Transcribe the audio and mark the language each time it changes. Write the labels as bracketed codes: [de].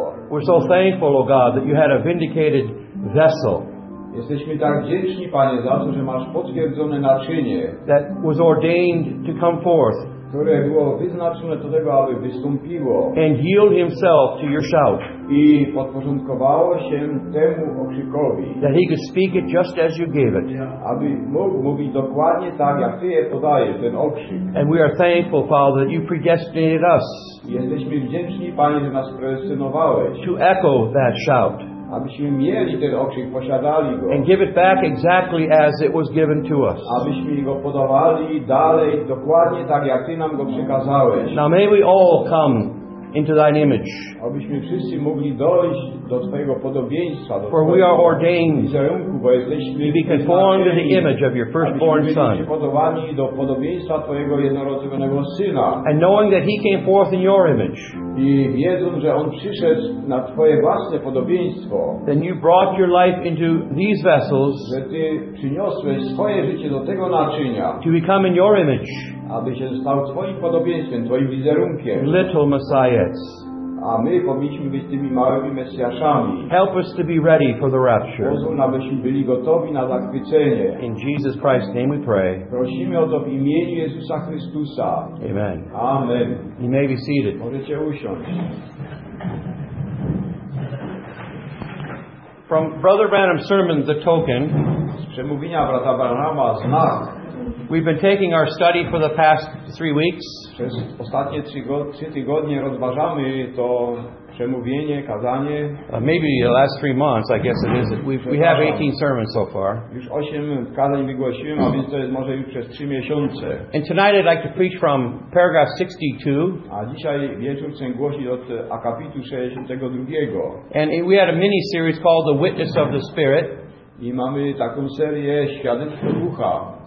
[en] We're so thankful, O God, that you had a vindicated vessel. [pl] Jesteśmy tak wdzięczni, Panie, za to, że masz potwierdzone naczynie. [en] That was ordained to come forth. [pl] Które było wyznaczone do tego, aby wystąpiło. [en] And yield himself to your shout. [pl] I podporządkowało się temu okrzykowi. [en] That he could speak it just as you gave it. [pl] Aby mógł mówić dokładnie tak, jak ty je podajesz, ten okrzyk. [en] And we are thankful, Father, that you predestinated us. [pl] Jesteśmy wdzięczni, Panie, że nas predestynowałeś. [en] To echo that shout. [pl] Abyśmy mieli ten okrzyk, posiadali go. [en] And give it back exactly as it was given to us. [pl] Abyśmy go podawali dalej, dokładnie tak, jak ty nam go przekazałeś. [en] Now may we all come into thine image. [pl] Abyśmy wszyscy mogli dojść do twojego podobieństwa. [en] For we are ordained to be conformed to the image of your firstborn son. [pl] Abyśmy podobani do podobieństwa twojego jednorodzonego syna. [en] And knowing that he came forth in your image. [pl] I wiedzą, że on przyszedł na twoje własne podobieństwo. [en] Then you brought your life into these vessels. [pl] Że ty przyniosłeś swoje życie do tego naczynia. [en] To become in your image. [pl] Aby się stał twoim podobieństwem, twoim wizerunkiem. [en] Little Messiahs. [pl] A my powinniśmy być tymi małymi Mesjaszami. [en] Help us to be ready for the rapture. [pl] Pozwól, abyśmy byli gotowi na zachwycenie. [en] In Jesus Christ's name we pray. [pl] Prosimy o to w imieniu Jezusa Chrystusa. [en] Amen. [pl] Amen. [en] You may be seated. [pl] Możecie usiąść. [en] From Brother Branham's sermon, The Token, [pl] z przemówienia brata Branhama, Znak, [en] we've been taking our study for the past 3 weeks. [pl] Przez ostatnie trzy tygodnie rozważamy to przemówienie, kazanie. [en] Maybe the last 3 months, I guess it is. We have 18 sermons so far. [pl] Już 8 kazań wygłosiłem, a więc to jest może już przez 3 miesiące. [en] And tonight I'd like to preach from paragraph 62. [pl] A dzisiaj wieczór chcę głosić od akapitu 62. [en] And we had a mini series called The Witness of the Spirit. [pl] I mamy taką serię Świadectwo Ducha.